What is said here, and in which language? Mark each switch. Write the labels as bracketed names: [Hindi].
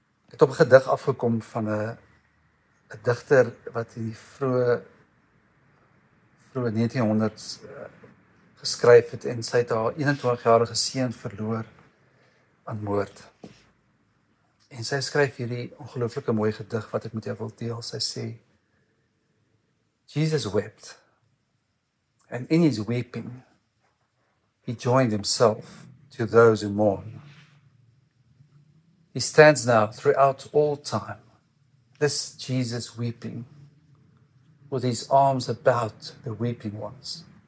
[Afrikaans] Ek het op een gedig afgekom van een dichter wat in die vroeg 1900 geskryf het en sy het haar 21-jarige seun verloor aan moord. En sy skryf hierdie ongelooflike mooie gedig wat ek met jou wil deel. Sy sê, [English] Jesus wept, and in his weeping, he joined himself to those who mourn. He stands now throughout all time, this Jesus weeping, with his arms about the weeping ones.